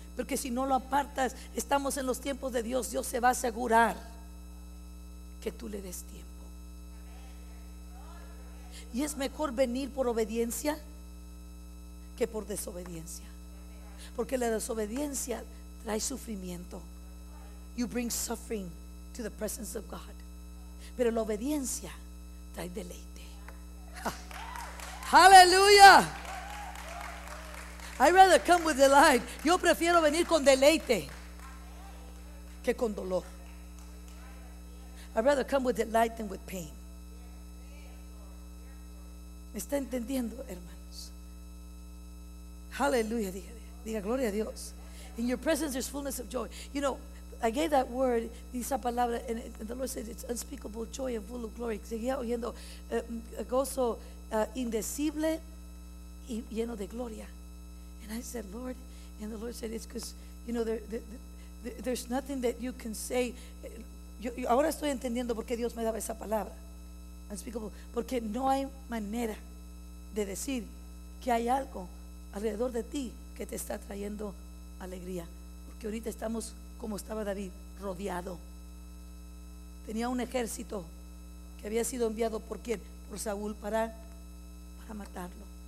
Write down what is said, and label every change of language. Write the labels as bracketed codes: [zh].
[es] Porque si no lo apartas, estamos en los tiempos de Dios. Dios se va a asegurar que tú le des tiempo. Y es mejor venir por obediencia que por desobediencia. Porque la desobediencia trae sufrimiento. [en] You bring suffering to the presence of God. [es] Pero la obediencia trae deleite. [en] Aleluya. I'd rather come with delight. [es] Yo prefiero venir con deleite que con dolor. [en] I'd rather come with delight than with pain. [es] ¿Me está entendiendo, hermanos? Hallelujah. Diga gloria a Dios. [en] In your presence there's fullness of joy. You know, I gave that word, [es] esa palabra, [en] and the Lord said it's unspeakable joy and full of glory. [es] Seguía oyendo gozo indecible y lleno de gloria. [en] And I said, Lord, and the Lord said, it's because, you know, there's nothing that you can say. [es] Yo ahora estoy entendiendo por qué Dios me daba esa palabra. Unspeakable. Porque no hay manera de decir que hay algo alrededor de ti que te está trayendo alegría. Porque ahorita estamos como estaba David, rodeado. Tenía un ejército que había sido enviado por quién, por Saúl, para matarlo.